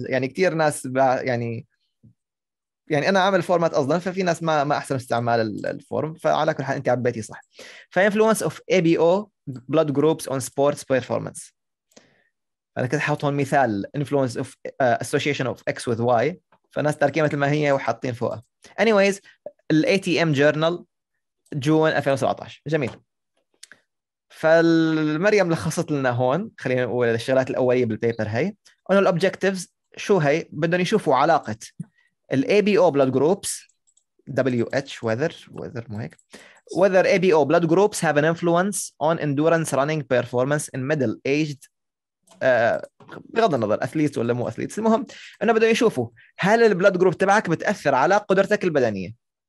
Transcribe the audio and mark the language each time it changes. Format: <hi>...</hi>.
<ar>يعني كثير ناس يعني انا عامل فورمات اصلا، ففي ناس ما احسن استعمال الفورم، فعلى كل حال انت عبيتي صح.</ar> <en>فانفلونس of A B O blood groups on sports performance,</en> <ar>انا كنت حاطه مثال</ar> <en>influence of association of X with Y,</en> <ar>فالناس تركيها مثل ما هي وحاطين فوقها. Anyways، الـ ATM Journal جون 2017. جميل، فالمريم لخصت لنا هون، خلينا نقول الشغلات الأولية بالبيبر هاي، أنه الـ Objectives شو هاي، بدهم يشوفوا علاقة الـ ABO Blood Groups WH Weather مو هيك،</ar> <en>Whether ABO Blood Groups have an influence on endurance running performance in middle-aged</en> <ar>بغض النظر أثليت ولا مو أثليت، المهم أنه بدهم يشوفوا هل البلد جروب تبعك بتأثر على قدرتك البدنية.</ar>